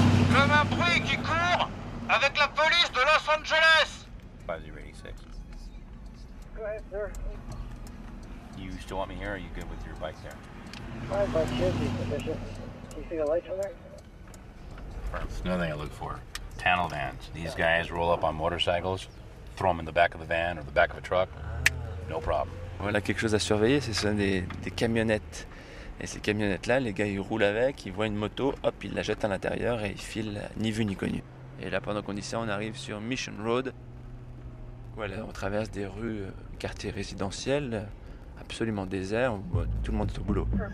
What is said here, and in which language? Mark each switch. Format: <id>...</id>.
<fr>Comme un bruit qui court avec la police de Los Angeles.</fr> <en>5-0-86. Go ahead, sir. You still want me here, or are you good with your bike there? My bike should be sufficient. You see the lights on there? Another thing I look for. Tunnel vans. These guys roll up on motorcycles, throw them in the back of the van or the back of a truck. No problem.</en> <fr>Voilà quelque chose à surveiller, ce sont des camionnettes. Et ces camionnettes-là, les gars, ils roulent avec, ils voient une moto, hop, ils la jettent à l'intérieur et ils filent ni vu ni connu. Et là, pendant qu'on dit ça, on arrive sur Mission Road. Voilà, on traverse des rues, quartiers résidentiels, absolument déserts, où tout le monde est au boulot.</fr>